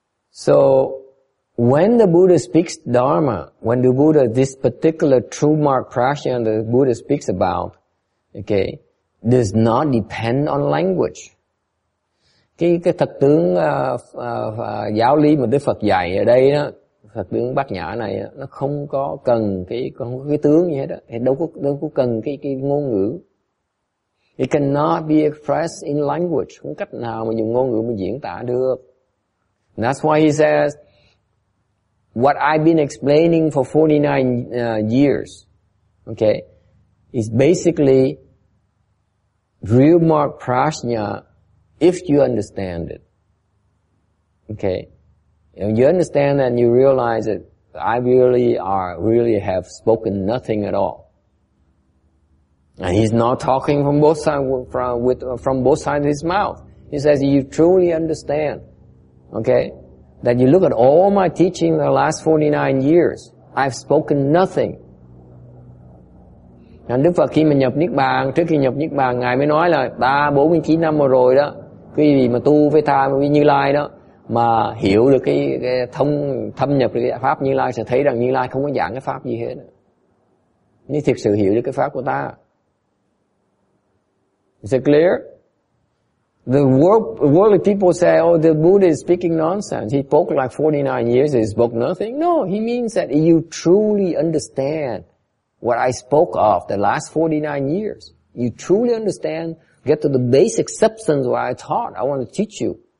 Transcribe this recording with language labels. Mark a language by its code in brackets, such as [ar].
[en] So, when the Buddha speaks Dharma, when the Buddha, this particular true mark prashna the Buddha speaks about, okay, does not depend on language. [vi] Cái thật tướng giáo lý mà Đức Phật dạy ở đây đó, thật tướng Bát Nhã này đó, nó không có cần cái tướng gì hết đó, thì đâu có cần cái ngôn ngữ. [en] It cannot be expressed in language. [vi] Không cách nào mà dùng ngôn ngữ mà diễn tả được. [en] And that's why he says, what I've been explaining for 49 years, okay, is basically real mark prashna if you understand it. Okay? And you understand and you realize that I really have spoken nothing at all. And he's not talking from both sides, from both sides of his mouth. He says, you truly understand, okay, that you look at all my teaching in the last 49 years, I've spoken nothing. [vi] And Đức Phật khi mà nhập Niết Bàn, trước khi nhập Niết Bàn, Ngài mới nói là ta 49 năm rồi đó, quý vị mà tu với tha với Như Lai đó, mà hiểu được cái thông thâm nhập cái pháp Như Lai, sẽ thấy rằng Như Lai không có giảng cái pháp gì hết. Nếu thực sự hiểu được cái pháp của ta. [en] Is it clear? The worldly people say, oh, the Buddha is speaking nonsense. He spoke like 49 years, he spoke nothing. No, he means that you truly understand what I spoke of the last 49 years. You truly understand, get to the basic substance of what I taught, I want to teach you.